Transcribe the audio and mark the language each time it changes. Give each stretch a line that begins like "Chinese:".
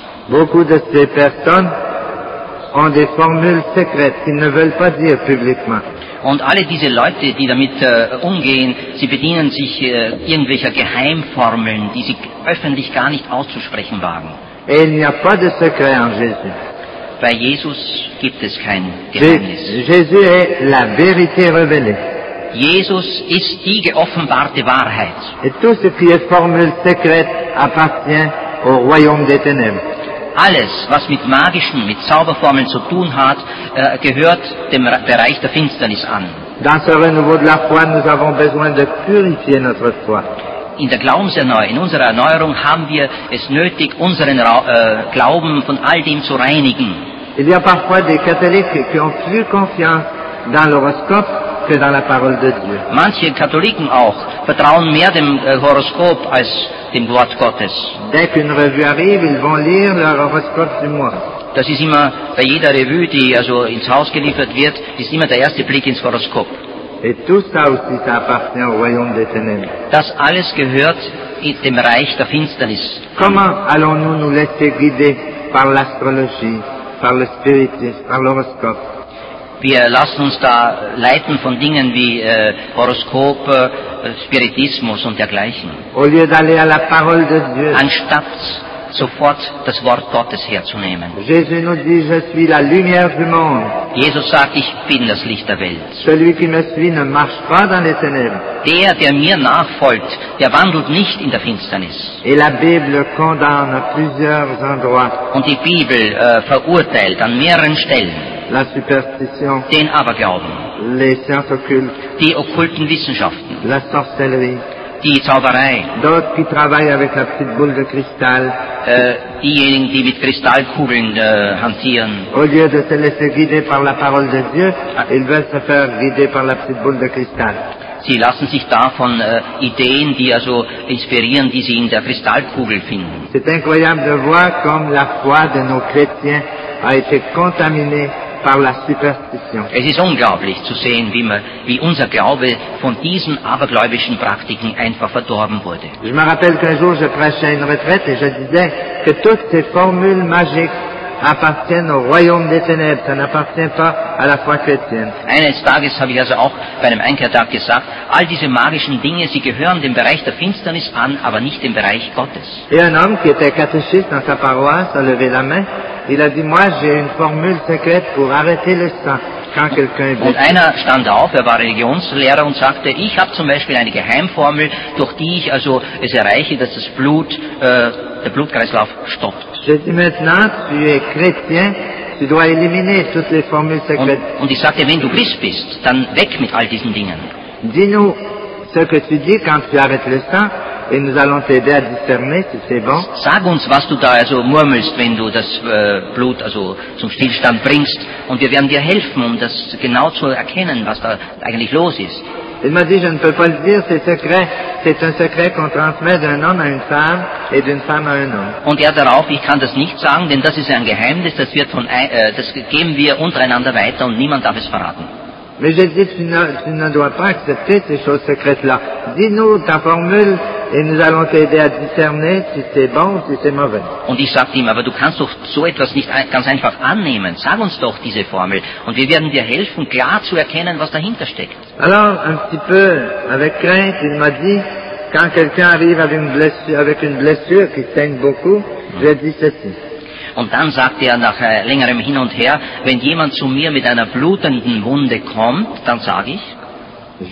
French: Beaucoup de ces personnes ont des formules secrètes qu'ils ne veulent pas dire publiquement.
German: Und alle diese Leute, die damit umgehen, sie bedienen sich irgendwelcher Geheimformeln, die sie öffentlich gar nicht auszusprechen wagen.
French: Et il n'y a pas de secret en Jésus.
German: Bei Jesus gibt es kein Geheimnis.
French: Jésus est la vérité révélée.
German: Jesus ist die geoffenbarte Wahrheit.
French: Et tout ce qui est formule secrète appartient au royaume des ténèbres.
German: Alles, was mit magischen, mit Zauberformeln zu tun hat, gehört dem Bereich der Finsternis an.
French: Dans ce renouveau de la foi, nous avons besoin de purifier notre foi.
German: In der Glaubenserneuerung, in unserer Erneuerung haben wir es nötig, unseren Glauben von all dem zu reinigen.
French: Il y a parfois des catholiques qui ont plus confiance dans l'horoscope que dans la parole de Dieu.
German: Manche Katholiken auch vertrauen mehr dem Horoskop als dem Wort Gottes.
French: Dès qu'une revue arrive, ils vont lire leur horoscope du mois.
German: Das ist immer bei jeder Revue, die also ins Haus geliefert wird, ist immer der erste Blick ins Horoskop.
French: Et tout ça aussi, ça appartient au royaume des ténèbres.
German: Das alles gehört dem Reich der Finsternis.
French: Comment allons-nous nous laisser guider par l'astrologie, par le spiritisme, par l'horoscope?
German: Wir lassen uns da leiten von Dingen wie Horoskop, Spiritismus und dergleichen.
French: Au lieu d'aller à la parole de Dieu.
German: Anstatt sofort das Wort Gottes herzunehmen.
French: Jésus nous dit, je suis la lumière du monde.
German: Jesus sagt, ich bin das Licht der Welt.
French: Celui qui me suit ne marche pas dans les ténèbres.
German: Der, der mir nachfolgt, der wandelt nicht in der Finsternis.
French: Et la Bible condamne à plusieurs endroits.
German: Und die Bibel verurteilt an mehreren Stellen.
French: La superstition.
German: Den Aberglauben.
French: Les sciences occultes.
German: Die okkulten Wissenschaften.
French: La sorcellerie.
German: Die Zauberei.
French: D'autres qui travaillent avec la petite boule de cristal.
German: Diejenigen, die mit Kristallkugeln hantieren.
French: Au lieu de se laisser guider par la parole de Dieu, ils veulent se faire guider par la petite boule de cristal.
German: Sie lassen sich davon Ideen, die also inspirieren, die sie in der Kristallkugel finden.
French: C'est incroyable de voir comme la foi de nos chrétiens a été contaminée.
German: Es ist unglaublich zu sehen, wie unser Glaube von diesen abergläubischen Praktiken einfach verdorben wurde.
French: Je me rappelle qu'un jour je prêchais une retraite et je disais que toutes ces formules magiques appartiennent au royaume des ténèbres, ça n'appartient pas à la foi chrétienne.
German: Eines Tages habe ich also auch bei einem Einkehrtag gesagt, all diese magischen Dinge, sie gehören dem Bereich der Finsternis an, aber nicht dem Bereich Gottes.
French: Et un homme qui était catéchiste dans sa paroisse a levé la main, il a dit, moi j'ai une formule secrète pour arrêter le sang.
German: Und einer stand auf, er war Religionslehrer und sagte, ich habe zum Beispiel eine Geheimformel, durch die ich also es erreiche, dass das Blut, der Blutkreislauf stoppt. Und ich sagte, wenn du Christ bist, dann weg mit all diesen Dingen.
French: Dis-nous ce que tu dis quand tu arrêtes le sang. Et nous allons t'aider à discerner si c'est bon.
German: Sag uns, was du da also murmelst, wenn du das Blut also zum Stillstand bringst, und wir werden dir helfen, um das genau zu erkennen, was da eigentlich los ist.
French: Il m'a dit, je ne peux pas le dire, c'est secret. C'est un secret qu'on transmet d'un homme à une femme et d'une femme à un homme.
German: Und er darauf, ich kann das nicht sagen, denn das ist ein Geheimnis, das wird von das geben wir untereinander weiter und niemand darf es verraten.
French: Mais j'ai dit, tu ne dois pas accepter ces choses secrètes-là. Dis-nous ta formule. Et nous allons t'aider à discerner si c'est bon ou si c'est mauvais.
German: Und ich sagte ihm, aber du kannst doch so etwas nicht ganz einfach annehmen. Sag uns doch diese Formel. Und wir werden dir helfen, klar zu erkennen, was dahinter steckt.
French: Alors, un petit peu, avec crainte, il m'a dit, quand quelqu'un arrive avec une blessure qui saigne beaucoup, j'ai dit ceci.
German: Und dann sagte er nach längerem Hin und Her, wenn jemand zu mir mit einer blutenden Wunde kommt, dann sage ich,